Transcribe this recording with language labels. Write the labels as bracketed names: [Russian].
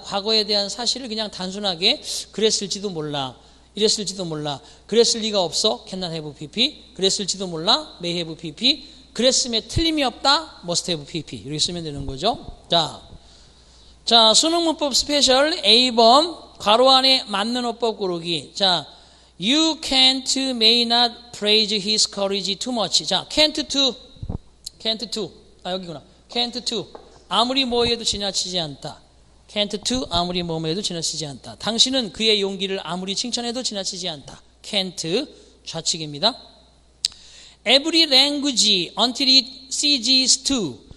[Korean] 과거에 대한 사실을 그냥 단순하게 그랬을지도 몰라. 이랬을지도 몰라. 그랬을 리가 없어. [English] cannot have pp. [Korean] 그랬을지도 몰라. [English] may have pp. [Korean] 그랬음에 틀림이 없다. [English] must have pp. [Korean] 이렇게 쓰면 되는 거죠. 자, 자 수능 문법 스페셜 A번 괄호 안에 맞는 어법 고르기. [English] 자, you can't may not praise his courage too much. [Korean] 자, can't to. 아, 여기구나. can't to. 아무리 뭐해도 지나치지 않다. can't to 아무리 뭐해도 지나치지 않다. 당신은 그의 용기를 아무리 칭찬해도 지나치지 않다. can't 좌측입니다. [English] every language until it ceases to.